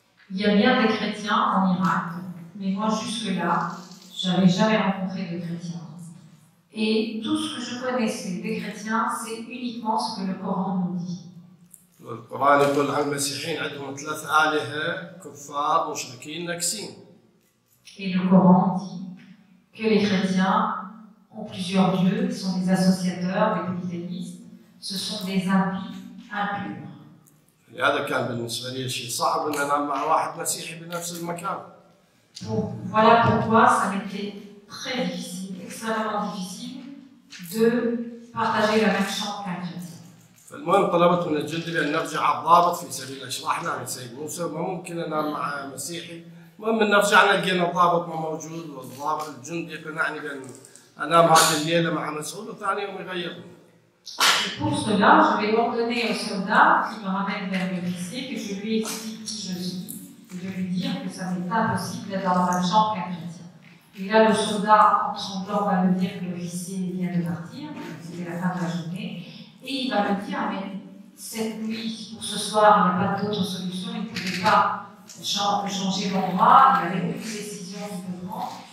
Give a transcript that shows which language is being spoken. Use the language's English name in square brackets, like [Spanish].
[French] Il y a bien des chrétiens en Irak, mais moi jusque-là, je n'avais jamais rencontré de chrétiens. Et tout ce que je connaissais des chrétiens, c'est uniquement ce que le Coran nous dit. [Arabic] القرآن يقول عن المسيحيين عندهم ثلاث آلهة كفار مشركين نكسين. [French] Et le Coran dit que les chrétiens ont plusieurs dieux, ils sont des associateurs, des polythéistes, ce sont des impurs. [Arabic] هذا كان بالنسبة لي شيء صعب إن أنا مع واحد مسيحي بنفس المكان. [French] Voilà pourquoi ça m'était très difficile, extrêmement difficile de partager la même chambre qu'un chrétien. [Arabic] فالمهم طلبت من الجندي أن نرجع الضابط في سبيل أشرحنا عن سيد موسى، ما ممكن أنا مع مسيحي. المهم أن رجعنا لقينا الضابط ما موجود، والضابط الجندي قنعني بأن أنام هذه الليلة مع مسعود وثاني يوم يغيرني. [French] Et pour cela, je vais ordonner au soldat qui me ramène vers le lycée que je lui explique qui je suis, et de lui dire que ça n'est pas possible d'être dans la chambre qu'un chrétien. Et là, le soldat, en son temps, va me dire que le lycée vient de partir, c'était la fin de la journée, et il va me dire, mais cette nuit, pour ce soir, il n'y a pas d'autre solution, il ne pouvait pas changer d'endroit, il n'avait aucune décision qu'il peut prendre.